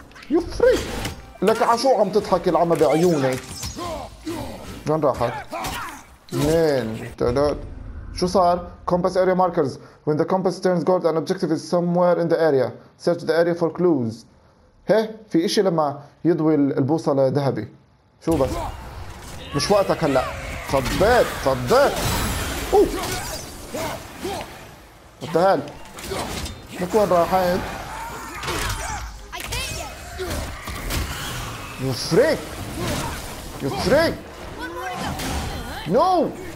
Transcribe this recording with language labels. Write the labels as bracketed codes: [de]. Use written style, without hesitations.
[en] You free. [ar] لك عشو عم تضحك العمى بعيوني؟ وين راحت؟ اثنين, ثلاث. شو صار؟ [en] Compass area markers. When the compass turns gold, an objective is somewhere in the area. Search the area for clues. [ar] هي في اشي لما يضوي البوصلة ذهبي. شو بس؟ مش وقتك هلا. صديت. [en] اوف. What the hell؟ [ar] لك وين راحت؟ [en] You freak. No.